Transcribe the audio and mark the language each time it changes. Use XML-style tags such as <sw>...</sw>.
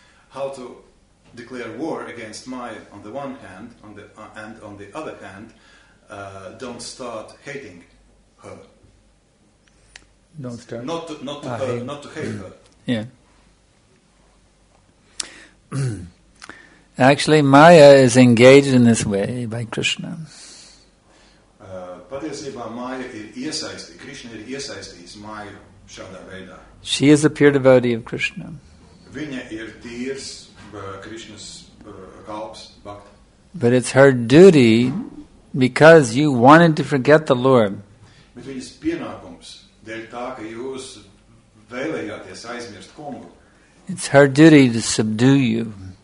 <en>How to declare war against Maya on the one hand, on the and on the other hand, don't start hating her. Don't start. Not to hate her. Yeah. Actually, Maya is engaged in this way by Krishna.</en> <lv>Patiesībā Maya ir iesaistī, Krishna ir iesaistījis Maya šādā veidā.</lv> <en>She is a pure devotee of Krishna.</en> <lv>Viņa ir tīrs Krishnas kalps, bhakt.</lv> <en>But it's her duty, because you wanted to forget the Lord.</en> <lv>Bet viņas pienākums, dēļ tā, ka jūs vēlējāties aizmirst kungu.</lv> <en>It's her duty to subdue you.</en>